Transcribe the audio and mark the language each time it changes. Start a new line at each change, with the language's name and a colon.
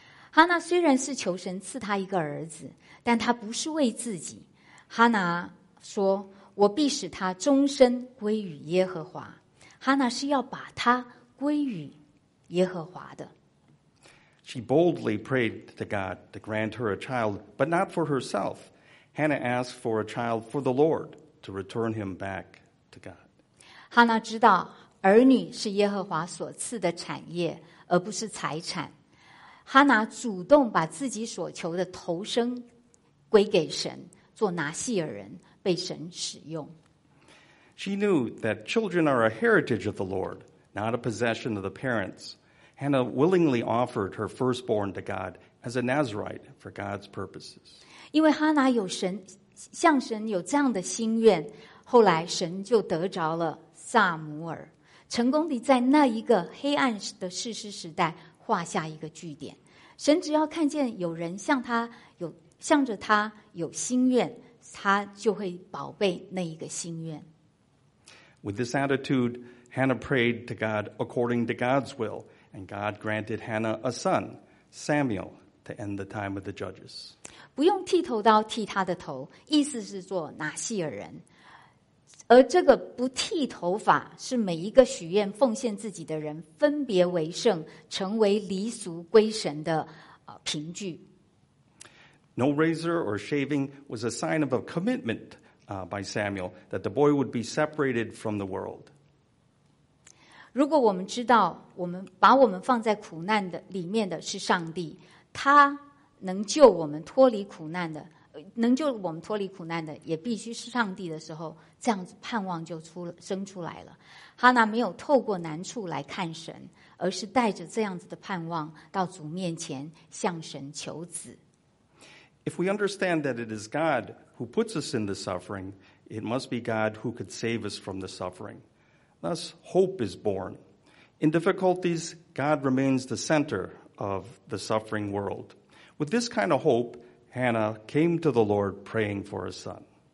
Chinese: 哈娜虽然是求神赐他一个儿子，但他不是为自己。哈娜说，我必使他终身归于耶和华。哈娜是要把他归于耶和华的。
English: She boldly prayed to God to grant her a child, but not for herself. Hannah asked for a child for the Lord to return him back to God.
Chinese: 哈娜知道儿女是耶和华所赐的产业，而不是财产。哈拿主动把自己所求的投生归给神，做拿细耳人，被神使用。
English: She knew that children are a heritage of the Lord, not a possession of the parents. Hannah willingly offered her firstborn to God as a Nazirite for God's purposes.
Chinese: 因为哈拿有神，向神有这样的心愿，后来神就得着了撒母耳，成功地在那一个黑暗的士师时代画下一个句点。神只要看见有人向他有向着他有心愿，他就会宝贝那一个心愿。
English: With this attitude, Hannah prayed to God according to God's will, and God granted Hannah a son, Samuel, to end the time of the judges.
Chinese: 不用剃头刀剃他的头，意思是做拿细耳人。而这个不剃头发是每一个许愿奉献自己的人分别为圣，成为离俗归神的凭据。
English: No razor or shaving was a sign of a commitment by Samuel that the boy would be separated from the world.
Chinese: 如果我们知道我们把我们放在苦难的里面的是上帝，他能救我们脱离苦难的。能救我们脱离苦难的也必须是上帝的时候，这样子盼望就生出来了。哈拿没有透过难处来看神，而是带着这样子的盼望到主面前向神求子。
English: If we understand that it is God who puts us in the suffering, it must be God who could save us from the suffering. Thus, hope is born. In difficulties, God remains the center of the suffering world. With this kind of hope,Hannah came to the Lord praying for a son.